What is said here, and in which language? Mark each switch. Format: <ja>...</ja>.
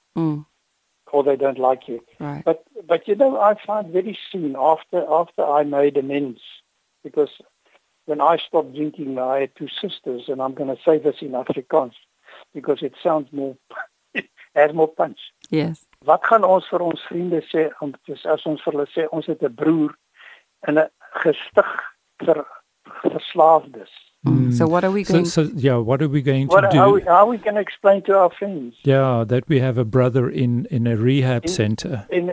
<en>Mm. Or they don't like you. Right. But you know, I find very soon after I made amends, because when I stopped drinking, I had two sisters, and I'm going to say this in Afrikaans because it sounds more, has more punch. Yes.</en> <af>Wat gaan ons vir ons vriende sê, as ons vir hulle sê, ons het 'n broer in 'n gestig vir verslaafdes.</af> <en>So what are we going to do? How are we going to explain to our friends? Yeah, that we have a brother in a rehab center.</en>